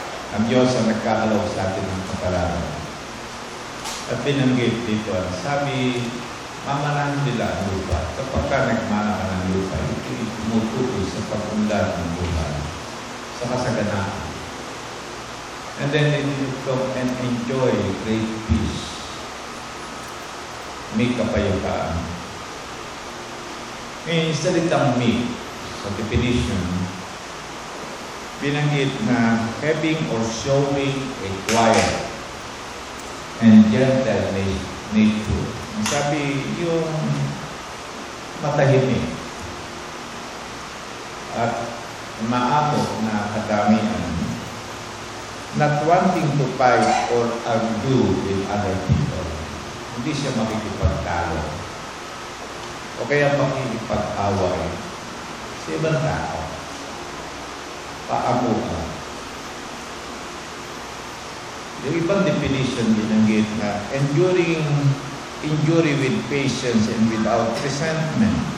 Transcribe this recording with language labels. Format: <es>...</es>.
<tl>Ang Diyos ang nagkaalaw sa atin ng kapalaran. At binanggit dito, sabi, mamanan nila ang lupa. Kapag ka nagmana ka ng lupa, ito yung tumutukoy sa pag-undad ng buhay, sa kasaganaan.</tl> <en>And then they will come and enjoy great peace.</en> <tl>Meek kapayapaan. Ngayon, yung salitang meek, sa definition, binanggit na</tl> <en>having or showing a quiet and gentle nature.</en> <tl>Sabi, yung matahimik at maamok na kadamihan,</tl> <en>not wanting to fight or argue with other people.</en> <tl>Hindi siya makikipagtalo. O kaya makikipag-away sa ibang tao. Paamukan. Yung ibang definition binanggit na</tl> <en>enduring injury with patience and without resentment.</en>